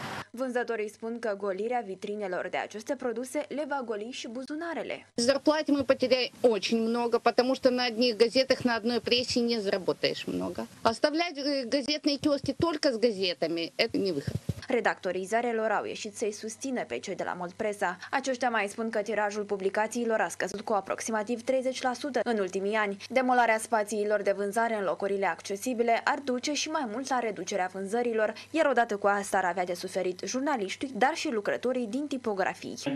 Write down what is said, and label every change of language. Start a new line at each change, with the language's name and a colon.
Romanian: Vânzătorii spun că golirea vitrinelor de aceste produse le va goli și buzunarele.
Russian: Зарплати мы потеряем очень много, потому что на одних газетах, на одной прессе не заработаешь много. Оставлять газетные киоски только с газетами – это не выход.
Romanian: Redactorii zarelor au ieșit să-i susțină pe cei de la Moldpresa. Aceștia mai spun că tirajul publicațiilor a scăzut cu aproximativ 30% în ultimii ani. Demolarea spațiilor de vânzare în locurile accesibile ar duce și mai mult la reducerea vânzărilor, iar odată cu asta ar avea de suferit jurnaliștii, dar și lucrătorii din tipografii.